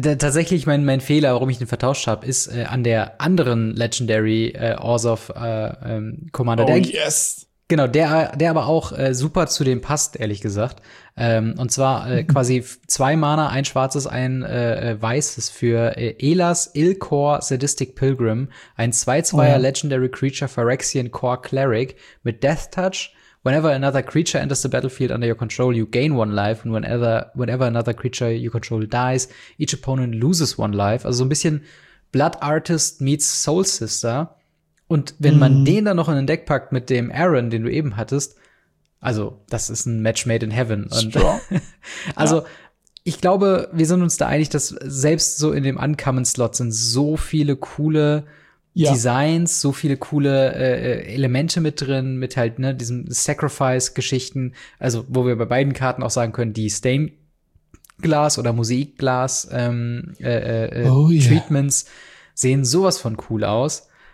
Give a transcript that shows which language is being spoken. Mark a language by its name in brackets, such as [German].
[German] Tatsächlich, mein Fehler, warum ich den vertauscht habe, ist an der anderen Legendary Orzhov Commander. Der aber auch super zu dem passt, ehrlich gesagt. Und zwar quasi 2 Mana, ein Schwarzes, ein Weißes für Elas Ilkor Sadistic Pilgrim. Ein 2/2er Legendary Creature Phyrexian Core Cleric mit Death Touch. [English] Whenever another creature enters the battlefield under your control, you gain one life. And whenever another creature you control dies, each opponent loses one life. [German] Also so ein bisschen Blood Artist meets Soul Sister. Und wenn man den dann noch in den Deck packt mit dem Aaron, den du eben hattest, also das ist ein [English] Match made in heaven. [German] Und also ich glaube, wir sind uns da einig, dass selbst so in dem Uncommon-Slot sind so viele coole Designs, so viele coole Elemente mit drin, mit halt ne diesem Sacrifice-Geschichten, also wo wir bei beiden Karten auch sagen können, die Stained-Glass oder Mosaik-Glass Treatments sehen sowas von cool aus.